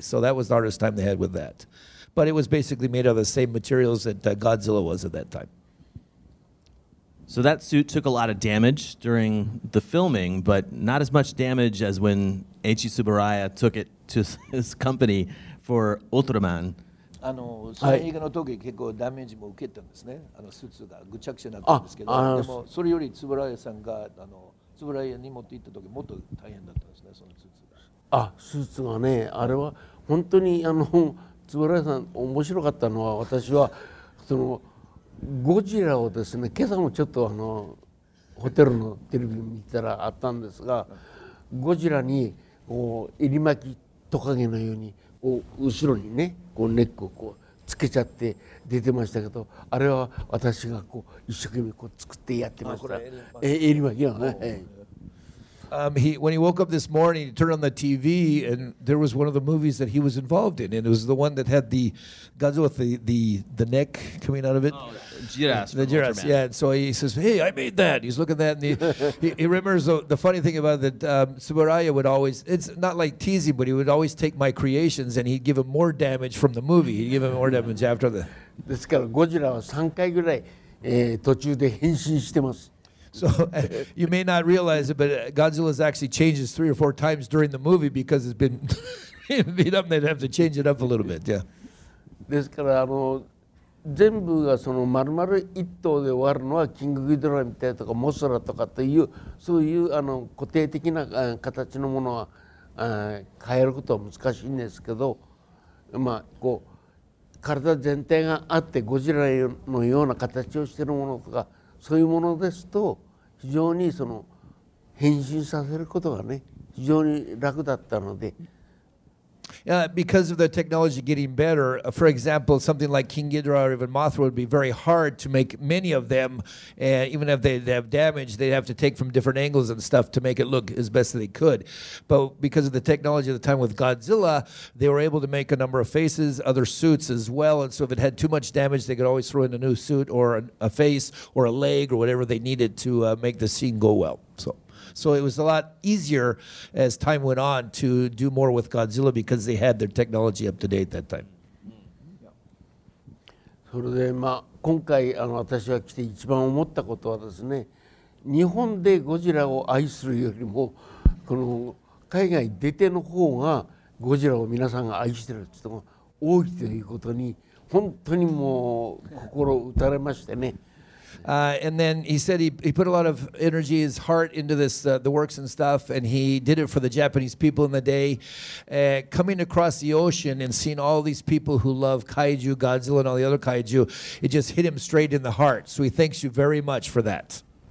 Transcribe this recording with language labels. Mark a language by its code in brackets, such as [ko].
[en] So that was the hardest time they had with that. But it was basically made of the same materials that Godzilla was at that time. So that suit took a lot of damage during the filming, but not as much damage as when Eiichi Tsuburaya took it to his company for Ultraman. [ja] その映画の時結構ダメージも受けたんですね。スーツがぐちゃぐちゃになったんですけど、でもそれよりつぶらやさんがつぶらやに持って行った時もっと大変だったんですね、そのスーツが。あ、スーツがね、あれは本当に、つぶらやさん面白かったのは、私はそのゴジラをですね、今朝もちょっとホテルのテレビ見たらあったんですが、ゴジラにこう襟巻きトカゲのようにこう後ろにね、こうネックをこうつけちゃって出てましたけど、あれは私がこう一生懸命こう作ってやってました。襟巻きはね。 [en] When he woke up this morning, he turned on the TV and there was one of the movies that he was involved in, and it was the one that had the Godzilla with the neck coming out of it. Oh, the Giras. Yeah, and so he says, hey, I made that. He's looking at that and he remembers the funny thing about it that Tsuburaya would always, it's not like teasing, but he would always take my creations and he'd give him more damage from the movie. He'd give him more damage after the... [ja] ですから、ゴジラは3回ぐらい途中で変身してます。 [en] So you may not realize it, but Godzilla's actually changes 3 or 4 times during the movie because it's been beat up. They'd have to change it up a little bit. Yeah. [ja] ですから全部がその丸々一頭で終わるのはキングギドラみたいとかモスラとかというそういう固定的な形のものは変えることは難しいんですけど、まあこう体全体があってゴジラのような形をしているものとか。そういうものですと非常にその変身させることがね非常に楽だったので、 [en] because of the technology getting better, for example, something like King Ghidorah or even Mothra would be very hard to make many of them, and even if they have damage, they'd have to take from different angles and stuff to make it look as best that they could. But because of the technology at the time with Godzilla, they were able to make a number of faces, other suits as well, and so if it had too much damage, they could always throw in a new suit or a face or a leg or whatever they needed to make the scene go well. So it was a lot easier as time went on to do more with Godzilla because they had their technology up to date at that time. [ja] それで、まあ、今回私が来て一番思ったことはですね、日本でゴジラを愛するよりも、この海外出ての方がゴジラを皆さんが愛してるって人が多いということに、本当にもう心打たれましてね。 [en] And then he said he put a lot of energy, his heart into this, the works and stuff, and he did it for the Japanese people in the day. Coming across the ocean and seeing all these people who love kaiju, Godzilla and all the other kaiju, it just hit him straight in the heart. So he thanks you very much for that.